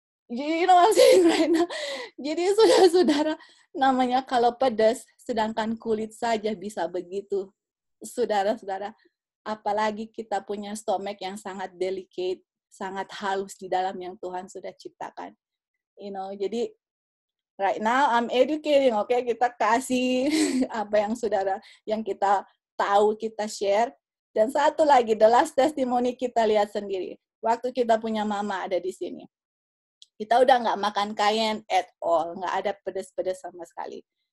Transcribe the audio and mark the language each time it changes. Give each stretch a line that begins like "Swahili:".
English: You know what I'm saying right now?
Indonesian: Jadi saudara-saudara, namanya kalau pedas, sedangkan kulit saja bisa begitu. Saudara-saudara, apalagi kita punya stomach yang sangat delicate, sangat halus di dalam yang Tuhan sudah ciptakan.
English: You know,
Indonesian: jadi
English: right now I'm educating, okay?
Indonesian: Kita kasih apa yang saudara, yang kita tahu, kita share. Dan satu lagi,
English: the last testimony
Indonesian: kita lihat sendiri. Waktu kita punya mama ada di sini, kita udah nggak makan Cayenne
English: at all,
Indonesian: nggak ada pedes-pedes sama sekali.